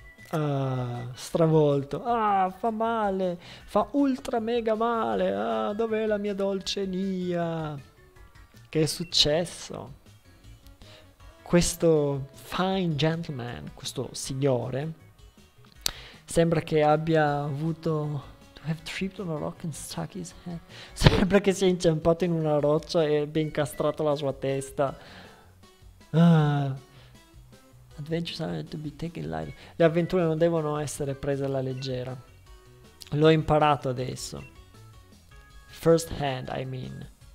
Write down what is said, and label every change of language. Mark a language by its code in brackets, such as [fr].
[it] Ah, stravolto. Ah, fa male. Fa ultra mega male. Ah, dov'è la mia dolce Nia? Che è successo? Questo [en] fine gentleman, [it] questo signore, sembra che abbia avuto. [en] To have tripped on a rock and stuck his head. [it] Sembra che si è inciampato in una roccia e abbia incastrato la sua testa. Ah. [en] Adventures are to be taken lightly. [it] Le avventure non devono essere prese alla leggera. L'ho imparato adesso. [en] First hand, I mean.